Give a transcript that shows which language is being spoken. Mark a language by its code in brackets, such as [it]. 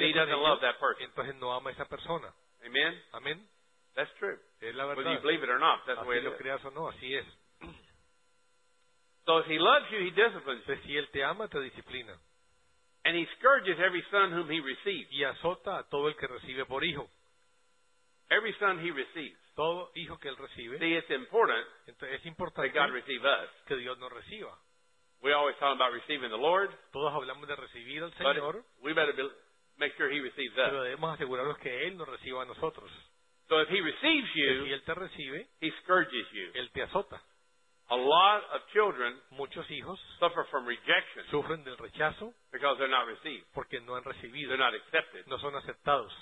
[en] then he [es] con [en] doesn't [es] ello, [en] love that person. [es] Entonces no ama esa persona. [en] Amen? Amen. That's true. [es] Es la verdad. [en] Whether you believe it or not, that's [es] así [en] the way it [es] lo [en] is. [es] Creas o no, así es. [en] So if he loves you, he disciplines you. [es] Si él te ama, te disciplina. [en] And he scourges every son whom he receives. [es] Y azota a todo el que recibe por hijo. [en] Every son he receives. [es] Todo hijo que él recibe. [en] See, it's important. [es] Entonces, es importante [en] that God receive us. [es] Que Dios nos reciba. [en] We always talk about receiving the Lord. [es] Todos hablamos de recibir al Señor. [en] But we better make sure he receives us. [es] Pero debemos asegurarnos que él nos reciba a nosotros. [en] So if he receives you, [es] si él te recibe, [en] he scourges you. [es] Él te azota. [en] A lot of children, [es] muchos hijos, [en] suffer from rejection, [es] sufren del rechazo, [en] because they're not received, [es] porque no han recibido, [en] they're not accepted, [es] no son aceptados.